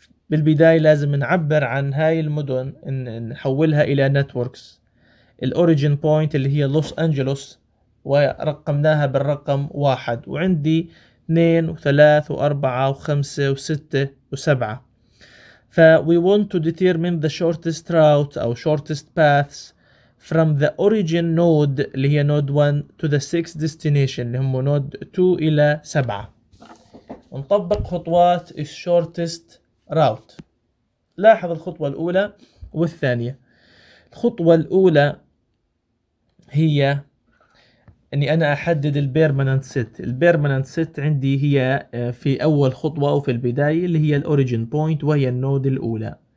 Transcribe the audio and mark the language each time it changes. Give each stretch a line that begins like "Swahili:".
Arabic: بالبداية لازم نعبر عن هاي المدن نحولها إلى نتوركس. الأوريجين بوينت اللي هي لوس أنجلوس ورقمناها بالرقم 1 وعندي 2 و3 و4 و5 و6 و7.
English: ف we want to determine the shortest route أو shortest paths from the origin node
Arabic: اللي هي
English: node 1 to the 6 destination
Arabic: اللي هم
English: node 2 إلى 7.
Arabic: ونطبق خطوات shortest route. لاحظ الخطوة الأولى والثانية. الخطوة الأولى هي أني أنا أحدد البيرمننت سيت. البيرمننت سيت عندي هي في أول خطوة أو في البداية اللي هي الأوريجين بوينت وهي النود الأولى.